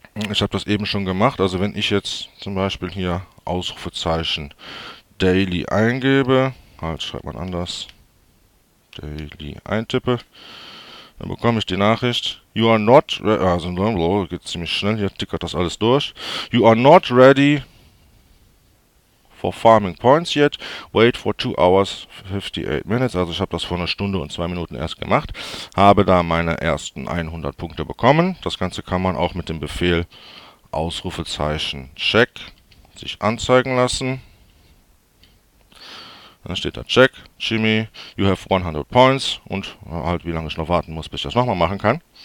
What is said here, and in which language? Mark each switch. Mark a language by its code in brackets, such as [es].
[de] Ich habe das eben schon gemacht. Also wenn ich jetzt zum Beispiel hier Ausrufezeichen Daily eingebe, halt schreibt man anders, Daily eintippe, dann bekomme ich die Nachricht: [en] You are not, [de] also geht ziemlich schnell, hier tickert das alles durch. [en] You are not ready for farming points yet. Wait for 2 hours 58 minutes. [de] Also ich habe das vor 1 Stunde und 2 Minuten erst gemacht. Habe da meine ersten 100 Punkte bekommen. Das Ganze kann man auch mit dem Befehl Ausrufezeichen Check sich anzeigen lassen. Dann steht da Check, Jimmy, [en] you have 100 points [de] und halt wie lange ich noch warten muss, bis ich das nochmal machen kann.